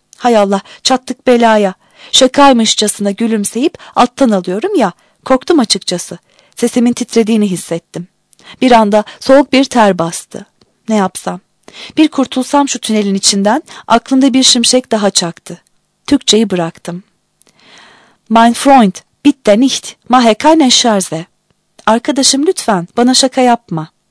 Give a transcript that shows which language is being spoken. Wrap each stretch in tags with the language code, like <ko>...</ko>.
<tr>Hay Allah, çattık belaya. Şakaymışçasına gülümseyip alttan alıyorum ya. Korktum açıkçası. Sesimin titrediğini hissettim. Bir anda soğuk bir ter bastı. Ne yapsam? Bir kurtulsam şu tünelin içinden, aklımda bir şimşek daha çaktı. Türkçeyi bıraktım.</tr> <de>Mein Freund, bitte nicht, mache keine Scherze.</de> <tr>Arkadaşım lütfen, bana şaka yapma.</tr>